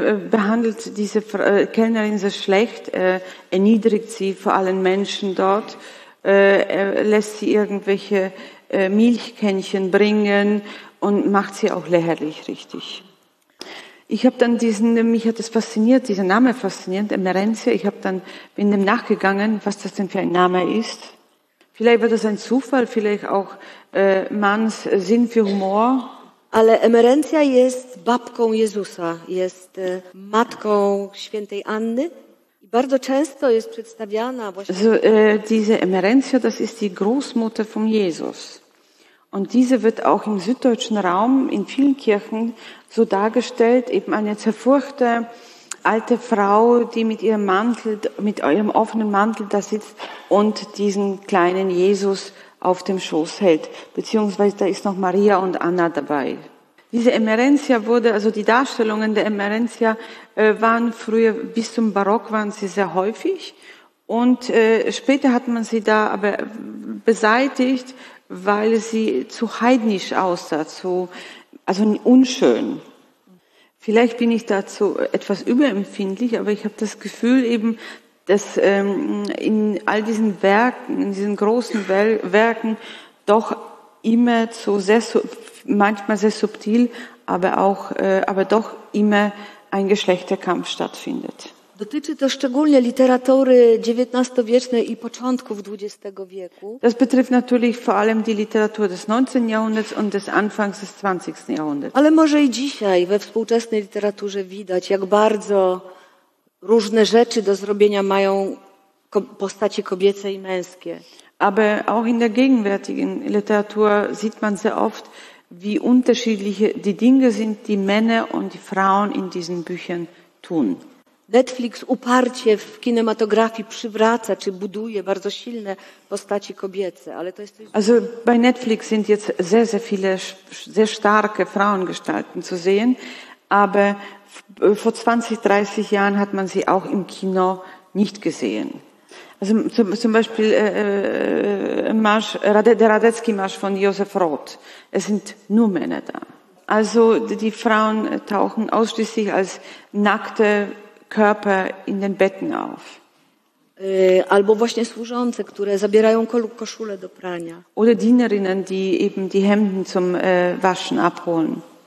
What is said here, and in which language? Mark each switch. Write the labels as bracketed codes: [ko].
[de] Behandelt diese Kellnerin sehr schlecht, erniedrigt sie vor allen Menschen dort, lässt sie irgendwelche Milchkännchen bringen und macht sie auch lächerlich, richtig. Ich habe dann dieser Name fasziniert, Emerenzia. Ich habe dann in dem nachgegangen, was das denn für ein Name ist. Vielleicht war das ein Zufall, vielleicht auch Manns Sinn für Humor. [pl] Ale Emerenzia jest babką Jezusa, jest matką świętej Anny. Bardzo często jest przedstawiana właśnie... [de] So, diese Emerenzia, das ist die Großmutter von Jesus. Und diese wird auch im süddeutschen Raum in vielen Kirchen so dargestellt, eben eine zerfurchte alte Frau, die mit ihrem Mantel, mit ihrem offenen Mantel da sitzt und diesen kleinen Jesus auf dem Schoß hält. Beziehungsweise da ist noch Maria und Anna dabei. Diese Emerenzia wurde, also die Darstellungen der Emerenzia waren früher, bis zum Barock waren sie sehr häufig. Und später hat man sie da aber beseitigt, weil sie zu heidnisch aussah, also unschön. Vielleicht bin ich dazu etwas überempfindlich, aber ich habe das Gefühl eben, dass in all diesen Werken, in diesen großen Werken doch immer so sehr, manchmal sehr subtil, aber doch immer ein Geschlechterkampf stattfindet. [pl] Dotyczy to szczególnie literatury XIX-wiecznej i początków XX wieku. [de] Das betrifft natürlich vor allem die Literatur des 19. Jahrhunderts und des Anfangs des 20. Jahrhunderts. [pl] Ale może i dzisiaj we współczesnej literaturze widać, jak bardzo różne rzeczy do zrobienia mają postaci kobiece i męskie. [de] Aber auch in der gegenwärtigen Literatur sieht man sehr oft, wie unterschiedliche die Dinge sind, die Männer und die Frauen in diesen Büchern tun. [pl] Netflix uparcie w kinematografii przywraca czy buduje bardzo silne postaci kobiece, ale to jest [de] Also bei Netflix sind jetzt sehr sehr viele sehr starke Frauengestalten zu sehen, aber vor 20, 30 Jahren hat man sie auch im Kino nicht gesehen. Also zum Beispiel Marsch, der Radetzky Marsch von Josef Roth. Es sind nur Männer da. Also die Frauen tauchen ausschließlich als nackte Körper in den Betten auf. [pl] Albo właśnie służące, które zabierają koszulę do prania. [de] Oder Dienerinnen, die eben die Hemden zum Waschen abholen.